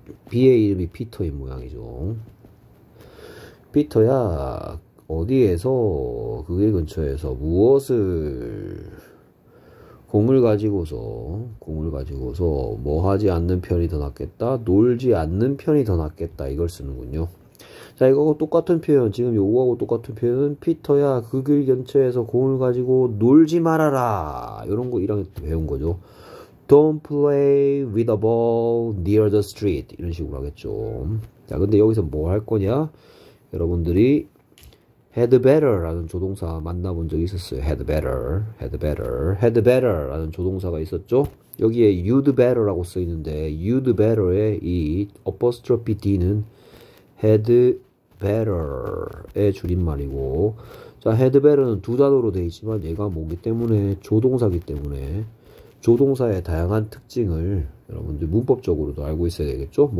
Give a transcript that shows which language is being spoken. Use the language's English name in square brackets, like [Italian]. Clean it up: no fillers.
[Korean] B의 이름이 피터인 모양이죠. 피터야, 어디에서 그 근처에서 무엇을 공을 가지고서, 뭐 하지 않는 편이 더 낫겠다? 놀지 않는 편이 더 낫겠다. 이걸 쓰는군요. 자, 이거하고 똑같은 표현, 지금 요거하고 똑같은 표현은, 피터야, 그길 근처에서 공을 가지고 놀지 말아라. 요런 거 1학년 때 배운 거죠. [English] Don't play with a ball near the street. [Korean] 이런 식으로 하겠죠. 자, 근데 여기서 뭐할 거냐? 여러분들이, Had better라는 조동사 만나본 적 있었어요. Had better, had better, had better라는 조동사가 있었죠. 여기에 you'd better라고 쓰이는데 you'd better의 이 apostrophe d는 had better의 줄임말이고, 자, had better는 두 단어로 돼 있지만 얘가 뭐기 때문에 조동사기 때문에 조동사의 다양한 특징을 여러분들 문법적으로도 알고 있어야 되겠죠.